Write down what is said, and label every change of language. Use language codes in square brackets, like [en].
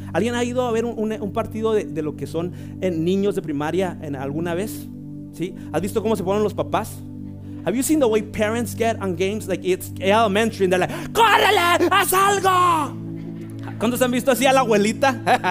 [es] ¿Alguien ha ido a ver un partido de lo que son en niños de primaria en alguna vez? ¿Sí? ¿Has visto cómo se ponen los papás? [en] Have you seen the way parents get on games? Like it's elementary and they're like, ¡córrele! [es] ¡Haz algo! ¿Cuántos han visto así a la abuelita?